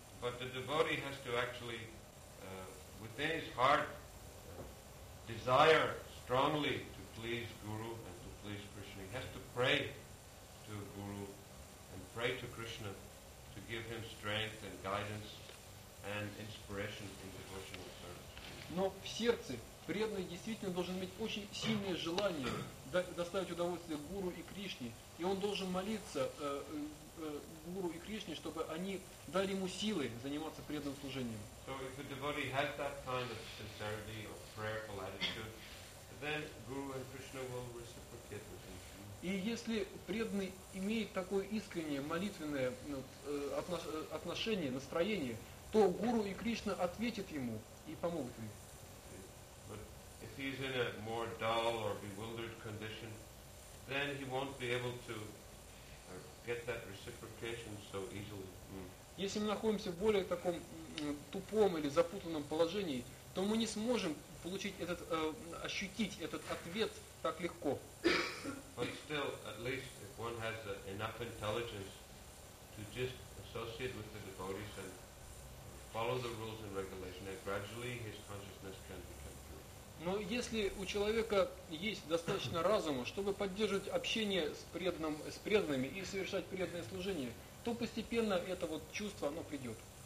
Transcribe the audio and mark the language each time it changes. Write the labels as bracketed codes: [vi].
[en] But the devotee has to actually, within his heart, desire strongly to please Guru and to please Krishna. He has to pray to Guru and pray to Krishna to give him strength and guidance and inspiration in devotional service. [ru] Но в сердце преданный действительно должен иметь очень сильное желание доставить удовольствие Гуру и Кришне. И он должен молиться Гуру и Кришне, чтобы они дали ему силы заниматься преданным служением. [en] So if a devotee has that kind of sincerity or prayerful attitude, then Guru and Krishna will reciprocate with him. [ru] И если преданный имеет такое искреннее молитвенное отношение, настроение, то Гуру и Кришна ответят ему и помогут ему. [en] But if he's in a more dull or bewildered condition, then he won't be able to get that reciprocation so easily. [ru] Если мы находимся в более таком тупом или запутанном положении, то мы не сможем получить этот, ощутить этот ответ так легко. [en] But still, at least if one has enough intelligence to just associate with the devotees and follow the rules and regulations, and gradually his consciousness can become pure. [ru] Но если у человека есть достаточно разума, чтобы поддерживать общение с преданными и совершать преданное служение, то постепенно это вот чувство, оно придет.